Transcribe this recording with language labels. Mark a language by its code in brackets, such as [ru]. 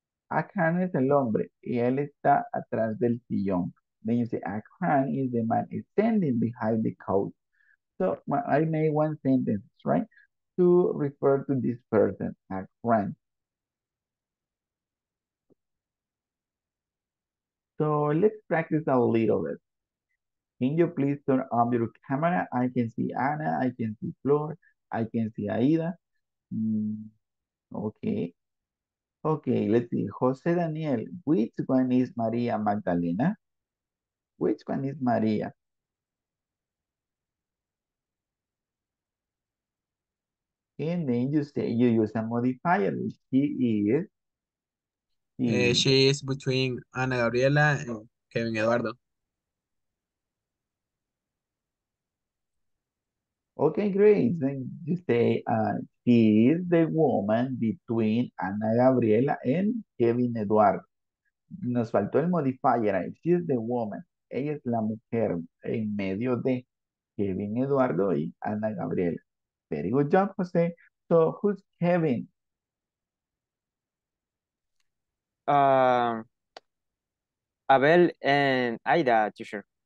[es] Akan es el hombre y él está atrás del sillón. [en] Then you say, Akan is the man standing behind the couch. So I made one sentence, right? To refer to this person, Akan. So let's practice a little bit. Can you please turn on your camera? I can see Anna, I can see Flor, I can see Aida. Okay. Okay, let's see. Jose Daniel, which one is Maria Magdalena? Which one is Maria? And then you say, you use a modifier. She is between Ana Gabriela and Kevin Eduardo. Okay, great. Then you say, she is the woman between Ana Gabriela and Kevin Eduardo. [es] Nos faltó el modifier. [en] She is the woman. [es] Ella es la mujer en medio de Kevin Eduardo y Ana Gabriela. [en] Very good job, Jose. So, who's Kevin? Abel and Aida, teacher.